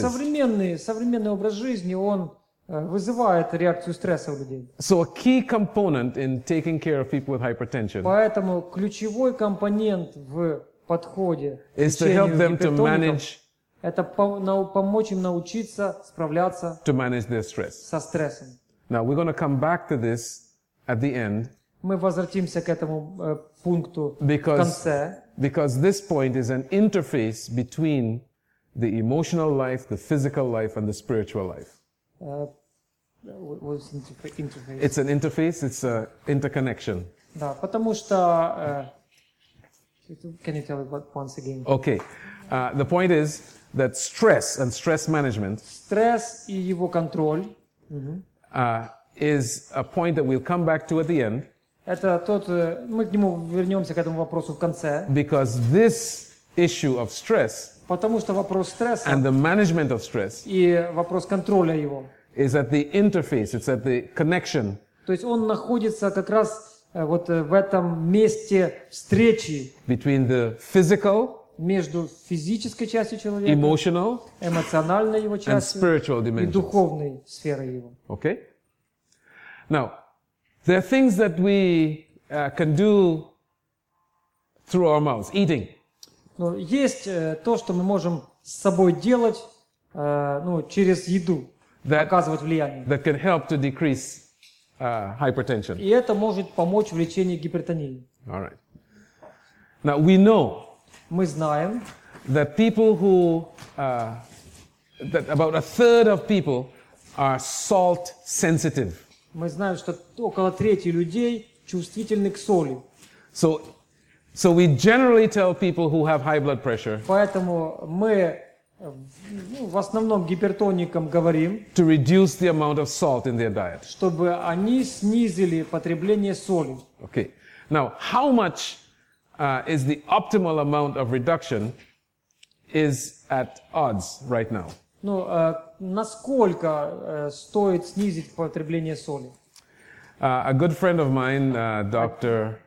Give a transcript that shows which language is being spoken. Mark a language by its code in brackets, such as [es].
[ru] Современный образ жизни, он вызывает реакцию стресса у людей. [en] So a key component in taking care of people with hypertension. [ru] Поэтому ключевой компонент в подходе [en] is to help them to manage. [ru] Это помочь им научиться справляться. [en] To manage their stress. [ru] Со стрессом. [en] Now we're going to come back to this at the end. [ru] Мы возвратимся к этому пункту в конце. [en] Because this point is an interface between the emotional life, the physical life, and the spiritual life. What's interface? It's an interface. It's an interconnection. [ru] Да, потому что. [en] Can you tell me what once again? Okay, the point is that stress and stress management. [ru] Стресс и его контроль. [en] Is a point that we'll come back to at the end. [ru] Это тот, мы к нему вернемся к этому вопросу в конце. [en] Because this issue of stress. [ru] Потому что вопрос стресса [en] and the management of stress [ru] и вопрос контроля его [en] is at the interface, it's at the connection. [ru] То есть он находится как раз в этом месте встречи [en] between the physical, [ru] между физической частью человека, [en] emotional, [ru] эмоциональной его частью [en] and spiritual dimensions. [ru] И духовной сферой его. [en] Okay. Now, there are things that we can do through our mouths, eating. [ru] Но есть то, что мы можем с собой делать, через еду, [en] that, [ru] оказывать влияние. [en] That can help to decrease hypertension. [ru] И это может помочь в лечении гипертонии. [en] All right. Now we know. [ru] Мы знаем. [en] That people who that about a third of people are salt sensitive. [ru] Мы знаем, что около трети людей чувствительны к соли. [en] So we generally tell people who have high blood pressure. [ru] Поэтому мы в основном гипертоникам говорим [en] to reduce the amount of salt in their diet. [ru] Чтобы они снизили потребление соли. [en] Okay. Now, how much is the optimal amount of reduction is at odds right now. [ru] Насколько стоит снизить потребление соли? [en] A good friend of mine, doctor.